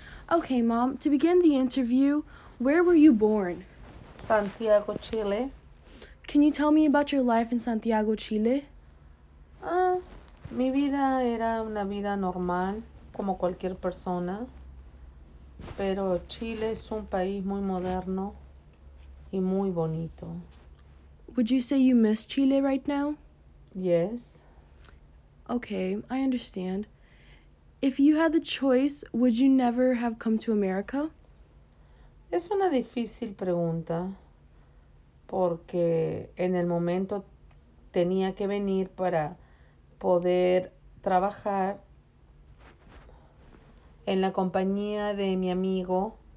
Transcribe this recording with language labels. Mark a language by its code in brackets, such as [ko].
[en] Okay, mom, to begin the interview, where were you born? Santiago, Chile. Can you tell me about your life in Santiago, Chile? [es] Mi vida era una vida normal, como cualquier persona. Pero Chile es un país muy moderno y muy bonito. [en] Would you say you miss Chile right now? Yes. Okay, I understand. If you had the choice, would you never have come to America? [es] Es una difícil pregunta, porque en el momento tenía que venir para poder trabajar en la compañía de mi amigo.